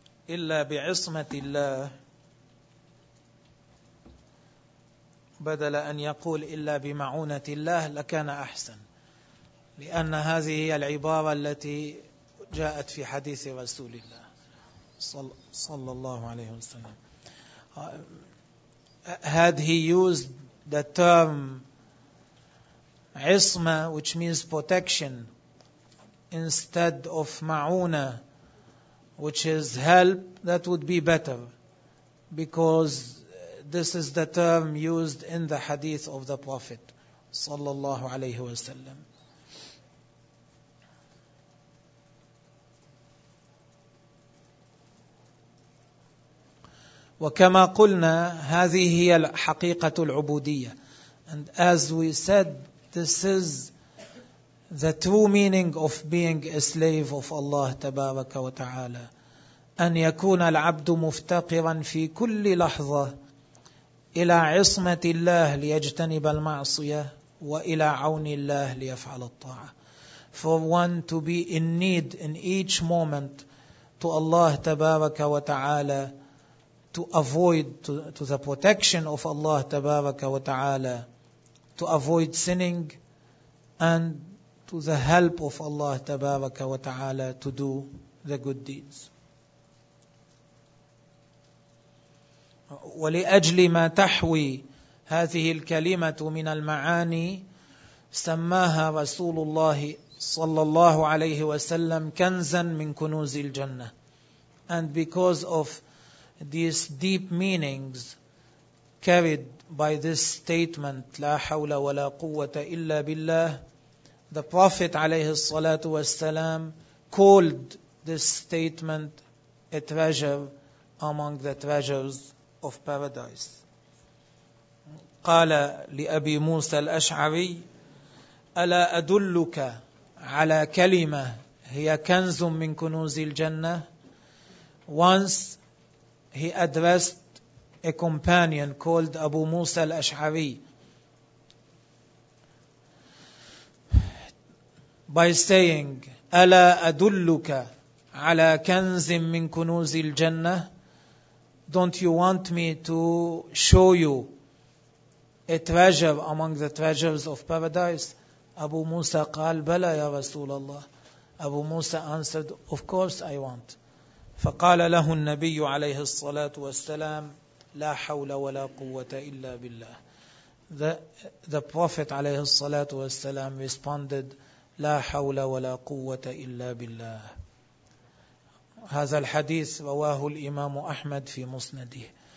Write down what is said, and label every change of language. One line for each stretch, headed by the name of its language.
Arabic: إلا بعصمة الله، بدل أن يقول إلا بمعونة الله لكان أحسن، لأن هذه هي العبارة التي جاءت في حديث رسول الله صلى الله عليه وسلم.
English: Had he used the term عصمه, which means protection, instead of معونه, which is help, that would be better, because this is the term used in the hadith of the Prophet صلى الله عليه وسلم.
Arabic: وكما قلنا هذه هي حقيقة العبودية.
English: And as we said, this is the true meaning of being a slave of Allah تبارك وتعالى.
Arabic: أن يكون العبد مفتقرا في كل لحظة إلى عصمة الله ليجتنب المعصية وإلى عون الله ليفعل الطاعة.
English: For one to be in need in each moment to Allah تبارك وتعالى, to the protection of Allah تبارك وتعالى, to avoid sinning, and to the help of Allah تبارك وتعالى to do the good deeds.
Arabic: ولأجل ما تحوي هذه الكلمة من المعاني سماها رسول الله صلى الله عليه وسلم كنزا من كنوز الجنة.
English: And because of these deep meanings carried by this statement,
Arabic: لا حول ولا قوة إلا بالله,
English: the Prophet عليه الصلاة والسلام called this statement a treasure among the treasures of paradise.
Arabic: قال لأبي موسى الأشعري, ألا أدلك على كلمة هي كنز من كنوز الجنة.
English: Once he addressed a companion called Abu Musa al-Ash'ari by saying,
Arabic: أَلَا أَدُلُّكَ عَلَىٰ كَنْزٍ مِّن كُنُوزِ الْجَنَّةِ.
English: Don't you want me to show you a treasure among the treasures of paradise?
Arabic: Abu Musa قال, بَلَا يَا رَسُولَ اللَّهِ.
English: Abu Musa answered, of course I want.
Arabic: فقال له النبي عليه الصلاة والسلام, لا حول ولا قوة إلا بالله.
English: The Prophet عليه الصلاة والسلام responded,
Arabic: لا حول ولا قوة إلا بالله. هذا الحديث رواه الإمام أحمد في مسنده.